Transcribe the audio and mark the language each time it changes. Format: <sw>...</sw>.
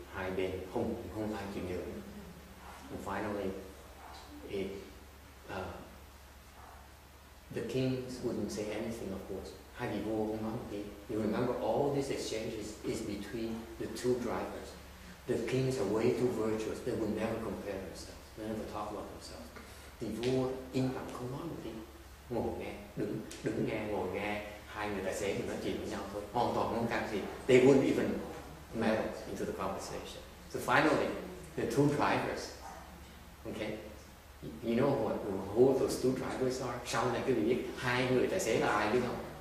<vi>Hai bên không ai chịu nhường.</vi> <en>And finally, the kings wouldn't say anything, of course.</en> <vi>Hai vị vua không nói gì.</vi> <en>You remember, all these exchanges is between the two drivers. The kings are way too virtuous. They would never compare themselves. They never talk about themselves.</en> <vi>Thì vua im lặng không nói một tiếng, ngồi nghe, đứng nghe, ngồi nghe hai người tài xế mình nói chuyện với nhau thôi, hoàn toàn không can thiệp.</vi> <en>They wouldn't even meddle into the conversation. So finally, the two drivers, okay, you know who those two drivers are?</en> <vi>Sau này quý vị biết hai người tài xế là ai biết không?</vi>